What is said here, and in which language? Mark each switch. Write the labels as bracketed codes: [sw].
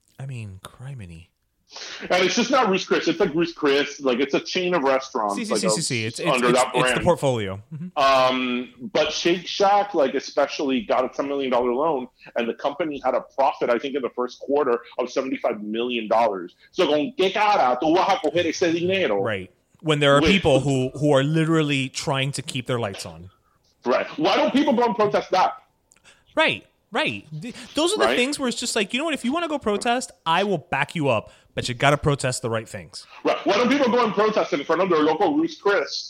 [en] I mean, criminy. And it's just not Ruth Chris, it's like Ruth Chris, like it's a chain of restaurants. It's the portfolio. Mm-hmm. But Shake Shack, like, especially got a $10 million loan, and the company had a profit, I think, in the first quarter of $75 million. So going [es] que cara, tu vas a coger ese dinero. [en] Right. When there are people who are literally trying to keep their lights on. Right. Why don't people go and protest that? Right. Right. Those are the things where it's just like, you know what? If you want to go protest, I will back you up. But you got to protest the right things. Right. Why don't people go and protest in front of their local Ruth's Chris?